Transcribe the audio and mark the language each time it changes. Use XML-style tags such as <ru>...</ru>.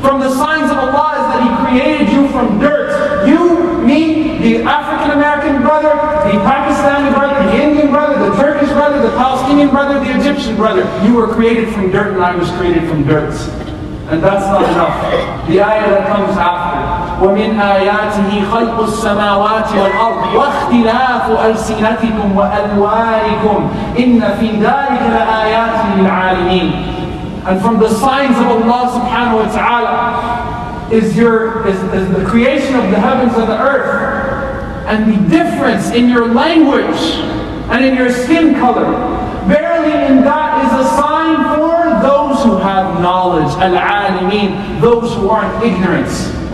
<en>From the signs of Allah is that He created you from dirt. You, me, the African-American brother, the Pakistani brother, the Indian brother, the Turkish brother, the Palestinian brother, the Egyptian brother. You were created from dirt and I was created from dirt. And that's not enough. The ayah that comes after,</en> <ar>ومن آياته خلق السماوات والأرض واختلاف ألسنتكم وألوانكم إن في ذلك لآيات للعالمين.</ar> <en>And from the signs of Allah subhanahu wa ta'ala is the creation of the heavens and the earth, and the difference in your language and in your skin color. Verily in that is a sign for those who have knowledge, al-alimin, those who are in ignorance.</en>